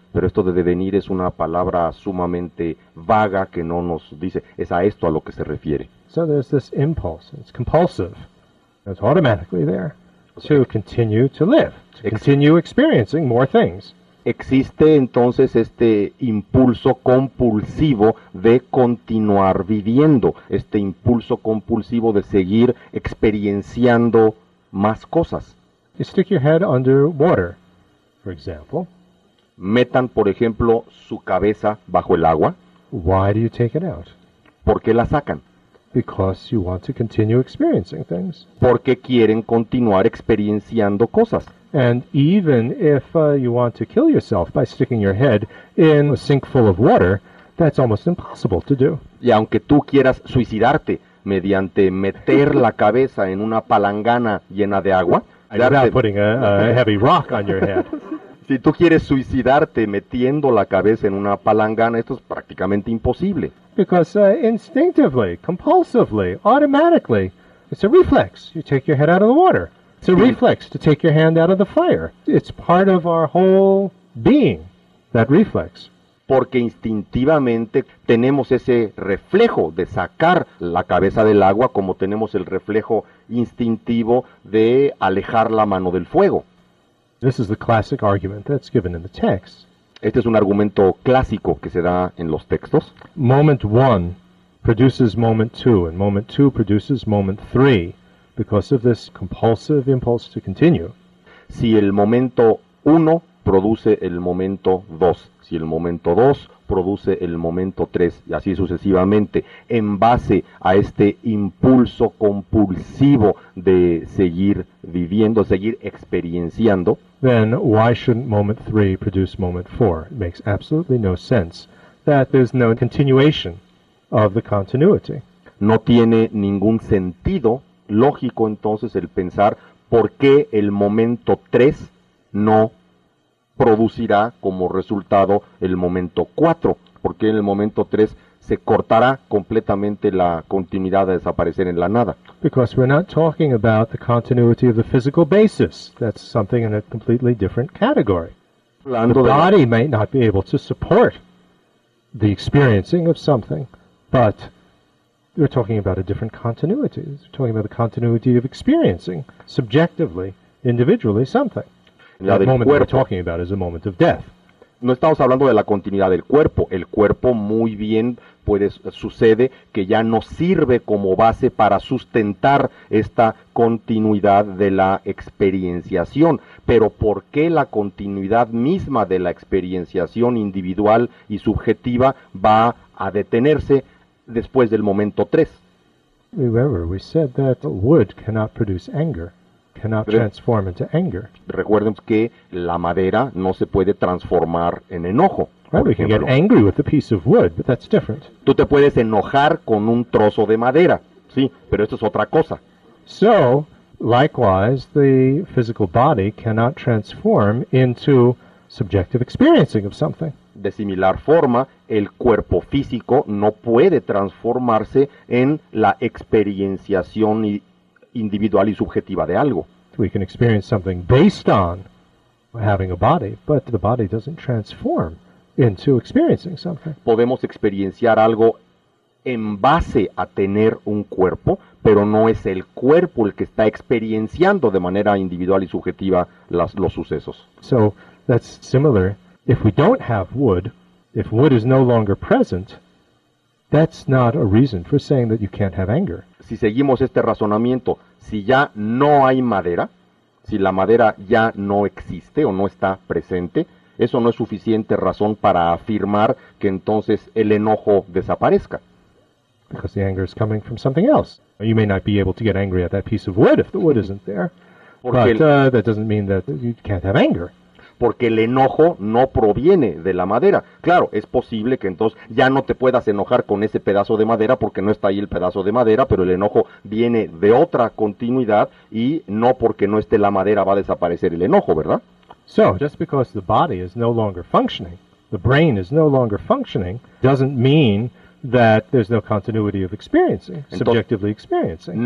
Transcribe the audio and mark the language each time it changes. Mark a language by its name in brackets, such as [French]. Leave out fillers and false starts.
[Spanish] Pero esto de devenir es una palabra sumamente vaga que no nos dice, es a esto a lo que se refiere. [English] So there's this impulse, it's compulsive, it's automatically there, to continue to live, to continue experiencing more things. [Spanish] Existe entonces este impulso compulsivo de continuar viviendo, este impulso compulsivo de seguir experienciando más cosas. [English] You stick your head under water, for example. [Spanish] Metan, por ejemplo, su cabeza bajo el agua. [English] Why do you take it out? [Spanish] ¿Por qué la sacan? [English] Because you want to continue experiencing things. [Spanish] Porque quieren continuar experienciando cosas. [English] And even if you want to kill yourself by sticking your head in a sink full of water, that's almost impossible to do. [Spanish] Y aunque tú quieras suicidarte mediante meter la cabeza en una palangana llena de agua, [English] putting a heavy rock on your head. [Spanish] Si tú quieres suicidarte metiendo la cabeza en una palangana, esto es prácticamente imposible. [English] Because instinctively, compulsively, automatically, it's a reflex. You take your head out of the water. It's a reflex to take your hand out of the fire. It's part of our whole being, that reflex. [Spanish] Porque instintivamente tenemos ese reflejo de sacar la cabeza del agua como tenemos el reflejo instintivo de alejar la mano del fuego. [English] This is the classic argument that's given in the text. [Spanish] Este es un argumento clásico que se da en los textos. [English] Moment one produces moment two, and moment two produces moment three because of this compulsive impulse to continue. [Spanish] Si el momento uno produce el momento dos, si el momento dos produce el momento tres, y así sucesivamente, en base a este impulso compulsivo de seguir viviendo, seguir experienciando. [English] Then why shouldn't moment three produce moment four? It makes absolutely no sense that there's no continuation of the continuity. [Spanish] No tiene ningún sentido lógico entonces el pensar por qué el momento tres no producirá como resultado el momento 4, porque en el momento 3 se cortará completamente la continuidad de desaparecer en la nada. [English] Because we're not talking about the continuity of the physical basis. That's something in a completely different category. [Spanish] Hablando [English] the body may not be able to support the experiencing of something, but we're talking about a different continuity. We're talking about the continuity of experiencing subjectively, individually something. [Spanish] La del [English] moment [Spanish] cuerpo. [English] We're talking about is a moment of death. [Spanish] No estamos hablando de la continuidad del cuerpo. El cuerpo muy bien puede sucede que ya no sirve como base para sustentar esta continuidad de la experienciación. Pero ¿por qué la continuidad misma de la experienciación individual y subjetiva va a detenerse después del momento 3? [English] Remember, we said that wood cannot produce anger. cannot transform into anger. [Spanish] Recuerden que la madera no se puede transformar en enojo. [English] Right, we can get angry with a piece of wood, but that's different. [Spanish] Tú te puedes enojar con un trozo de madera, sí, pero esto es otra cosa. [English] So, likewise, the physical body cannot transform into subjective experiencing of something. [Spanish] De similar forma, el cuerpo físico no puede transformarse en la experienciación individual y subjetiva de algo. [English] We can experience something based on having a body, but the body doesn't transform into experiencing something. [Spanish] Podemos experienciar algo en base a tener un cuerpo, pero no es el cuerpo el que está experienciando de manera individual y subjetiva los sucesos. [English] So, that's similar. If we don't have wood, if wood is no longer present, that's not a reason for saying that you can't have anger. [Spanish] Si seguimos este razonamiento, si ya no hay madera, si la madera ya no existe o no está presente, eso no es suficiente razón para afirmar que entonces el enojo desaparezca. [English] Because the anger is coming from something else. You may not be able to get angry at that piece of wood if the wood isn't there. That doesn't mean that you can't have anger. [Spanish] Porque el enojo no proviene de la madera. Claro, es posible que entonces ya no te puedas enojar con ese pedazo de madera porque no está ahí el pedazo de madera, pero el enojo viene de otra continuidad y no porque no esté la madera va a desaparecer el enojo, ¿verdad? [English] So, just because the body is no longer functioning, the brain is no longer functioning, doesn't mean that there's no continuity of experiencing, subjectively experiencing.